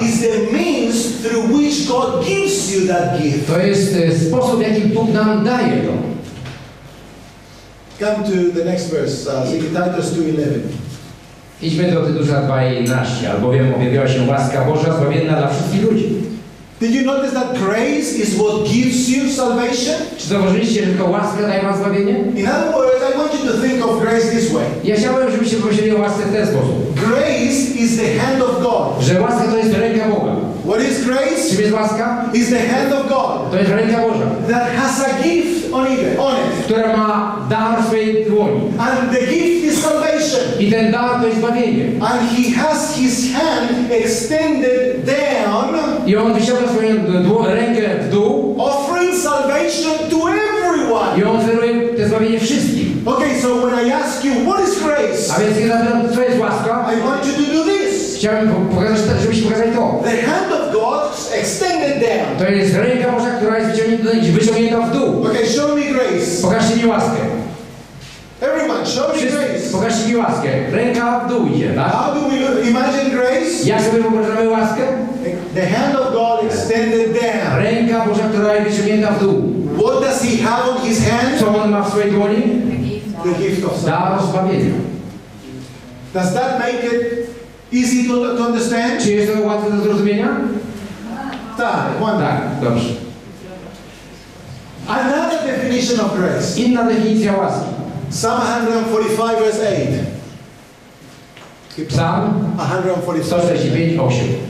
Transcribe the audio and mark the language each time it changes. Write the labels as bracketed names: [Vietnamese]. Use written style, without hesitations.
[English] is the means through which God gives you that gift. [Polish] To jest sposób, w jaki Bóg nam daje to. [English] Come to the next verse, Titus 2:11. [Polish] Idźmy do Tytusa 2:11, albowiem objawiła się łaska Boża zbawienna dla wszystkich ludzi. [English] Did you notice that grace is what gives you salvation? [Polish] Czy zauważyliście, że to łaska daje wam zbawienie? [English] In other words, I want you to think of grace this way. [Polish] Ja chciałbym, żebyście pomyśleli o łasce w ten sposób. [English] Grace is the hand of God. [Polish] Że łaska to jest ręka Boga. [English] What is grace? [Polish] Czym jest łaska? [English] Is the hand of God. [Polish] To jest ręka Boża. [English] That has a gift on it. [Polish] Która ma dar w swojej dłoni. [English] And the gift is salvation. [Polish] I ten dar to jest zbawienie. [English] And he has his hand extended down. [Polish] I on wyciąga swoją rękę w dół. [English] Offering salvation to everyone. [Polish] I on oferuje to zbawienie wszystkim. [English] Okay, so when I ask you, what is grace? [Polish] A więc kiedy zapytam, co jest łaska? [English] I want you to do this. [Polish] Chciałbym pokazać, żebyś pokazał to. [English] The hand of God extended down. [Polish] To jest ręka Boża, która jest wyciągnięta w dół. [English] Okay, show me grace. [Polish] Pokażcie mi łaskę. [English] Everyone, show me grace. [Polish] Pokażcie mi łaskę. Ręka w dół idzie, tak? [English] How do we imagine grace? [Polish] Jak sobie wyobrażamy łaskę? [English] The hand of God extended down. [Polish] Ręka Boża, która jest wyciągnięta w dół. [English] What does he have on his hand? [Polish] Co on ma w swojej dłoni? [English] The gift of [Polish] salvation. Dar zbawienia. [English] Does that make it easy to understand? [Polish] Czy jest to łatwe do zrozumienia? Tak, dobrze. [English] Another definition of grace. [Polish] Inna definicja łaski. [English] Psalm 145, verse 8. [Polish] Psalm 145, 8.